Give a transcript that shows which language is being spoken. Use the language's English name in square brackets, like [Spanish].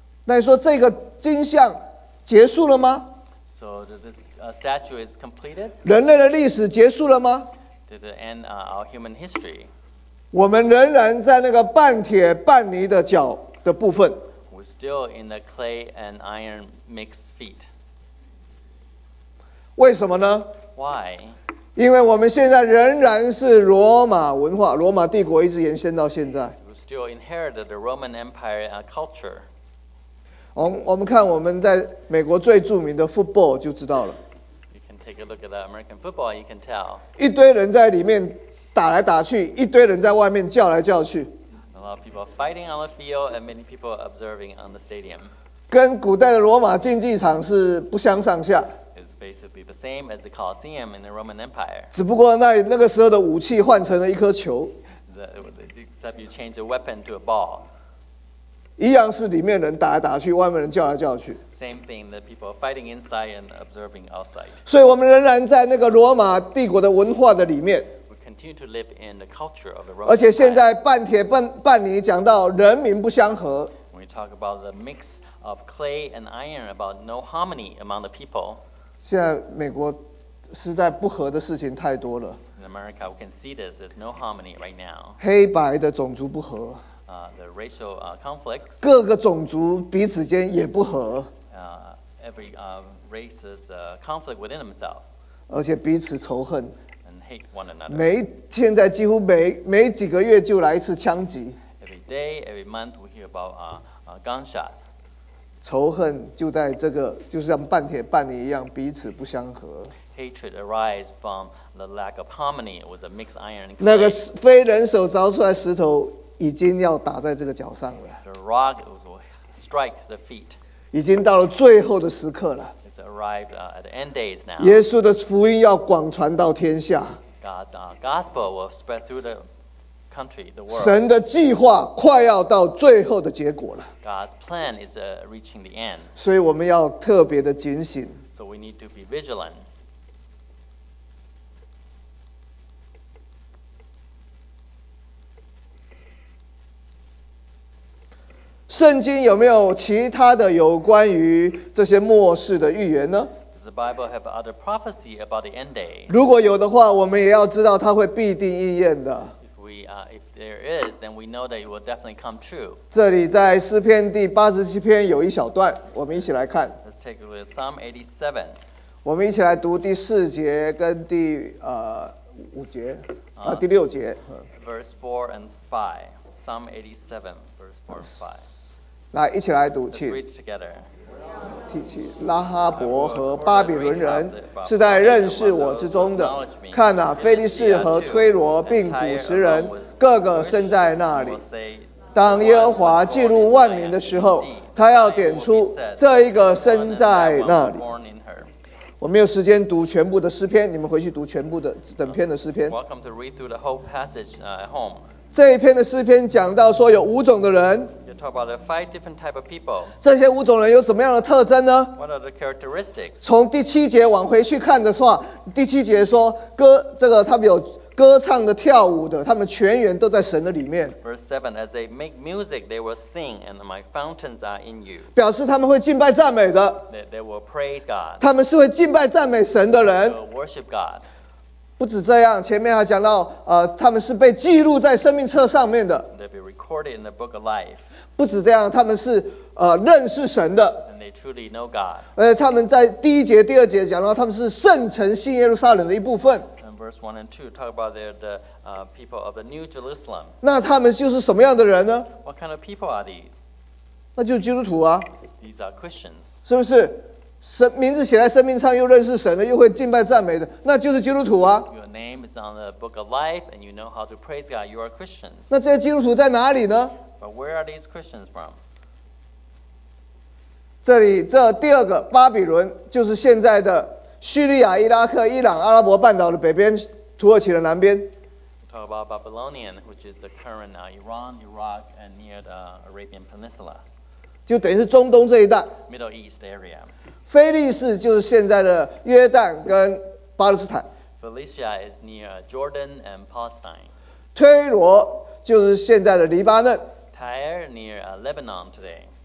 [Chinese] 那你说这个金像结束了吗？ [English] So this statue is completed. [Chinese] 人类的历史结束了吗？ [English] Did it end our human history? [Chinese] 我们仍然在那个半铁半泥的脚的部分。 [English] We're still in the clay and iron mixed feet. [Chinese] 为什么呢？ [English] Why? [Chinese] 因为我们现在仍然是罗马文化，罗马帝国一直延伸到现在。 [English] We still inherited the Roman Empire culture. [Chinese] 我们看我们在美国最著名的 football 就知道了。 [English] You can take a look at the American football, you can tell. [Chinese] 一堆人在里面打来打去，一堆人在外面叫来叫去。 [English] A lot of people are fighting on the field and many people are observing on the stadium. [Chinese] 跟古代的罗马竞技场是不相上下。 [English] It's basically the same as the Colosseum in the Roman Empire. [Chinese] 只不过那个时候的武器换成了一颗球。 [English] Except you change a weapon to a ball. [Chinese] 一样是里面人打来打去，外面人叫来叫去。 [English] Same thing, the people are fighting inside and observing outside. [Chinese] 所以我们仍然在那个罗马帝国的文化的里面。 [English] We continue to live in the culture of the Roman. [Chinese] 而且现在半铁半泥讲到人民不相合。 [English] We talk about the mix of clay and iron about no harmony among the people. [Chinese] 现在美国实在不和的事情太多了。 [English] In America, we can see this. There's no harmony right now. [Chinese] 黑白的种族不和。 [English] The racial conflicts. [Chinese] 各个种族彼此间也不和。 [English] Every race is conflict within themselves. [Chinese] 而且彼此仇恨。 [English] And hate one another. [Chinese] 现在几乎每几个月就来一次枪击。 [English] Every day, every month, we hear about gunshot. [Chinese] 仇恨就在这个，就像半铁半泥一样，彼此不相合。 [English] Hatred arises from the lack of harmony with a mixed iron. [Chinese] 那个非人手凿出来石头。已经要打在这个脚上了。 [English] The rock will strike the feet. [Chinese] 已经到了最后的时刻了。 [English] It's arrived at the end days now. [Chinese] 耶稣的福音要广传到天下。 [English] God's gospel will spread through the country, the world. [Chinese] 神的计划快要到最后的结果了。 [English] God's plan is reaching the end. [Chinese] 所以我们要特别的警醒。 [English] So we need to be vigilant. [Chinese] 圣经有没有其他的有关于这些末世的预言呢？ [English] Does the Bible have other prophecy about the end day? [Chinese] 如果有的话，我们也要知道它会必定应验的。 [English] If there is, then we know that it will definitely come true. [Chinese] 这里在诗篇第87篇有一小段，我们一起来看。 [English] Let's take a look at Psalm 87. [Chinese] 我们一起来读第四节跟第五节啊第六节。 [English] Verse 4 and 5. Psalm 87, verse 4 and 5. [Chinese] 来，一起来读，请。 [English] Read together. [Chinese] 拉哈伯和巴比伦人是在认识我之中的。看哪，腓力士和推罗并古实人，个个身在那里。当耶和华记录万民的时候，他要点出这一个身在那里。我没有时间读全部的诗篇，你们回去读全部的整篇的诗篇。 [English] Welcome to read through the whole passage at home. [Chinese] 这一篇的诗篇讲到说有五种的人。 [English] You talk about the five different type of people. [Chinese] 这些五种人有什么样的特征呢？ [English] What are the characteristics? [Chinese] 从第七节往回去看的话，第七节说这个他们有歌唱的、跳舞的，他们全员都在神的里面。 [English] Verse 7, as they make music, they will sing, and my fountains are in you. [Chinese] 表示他们会敬拜赞美的。 [English] They will praise God. [Chinese] 他们是会敬拜赞美神的人。 [English] They will worship God. [Chinese] 不止这样，前面还讲到，他们是被记录在生命册上面的。 [English] They'll be recorded in the book of life. [Chinese] 不止这样，他们是认识神的。 [English] And they truly know God. [Chinese] 他们在第一节、第二节讲到他们是圣城新耶路撒冷的一部分。 [English] And verse 1 and 2 talk about they're the people of the New Jerusalem. [Chinese] 那他们就是什么样的人呢？ [English] What kind of people are these? [Chinese] 那就是基督徒啊。 [English] These are Christians. [Chinese] 是不是？神名字写在生命上，又认识神的，又会敬拜赞美的，那就是基督徒啊。 [English] Your name is on the book of life, and you know how to praise God. You are Christians. [Chinese] 那这些基督徒在哪里呢？ [English] But where are these Christians from? [Chinese] 这里这第二个巴比伦，就是现在的叙利亚、伊拉克、伊朗、阿拉伯半岛的北边，土耳其的南边。 [English] Talk about Babylonian, which is the current Iran, Iraq, and near the Arabian Peninsula. [Chinese] 就等于是中东这一带。 [English] Middle East area. [Chinese] 腓力士就是现在的约旦跟巴勒斯坦。 [English] Philistia is near Jordan and Palestine. [Chinese] 推罗就是现在的黎巴嫩。 [English] Tyre near Lebanon today.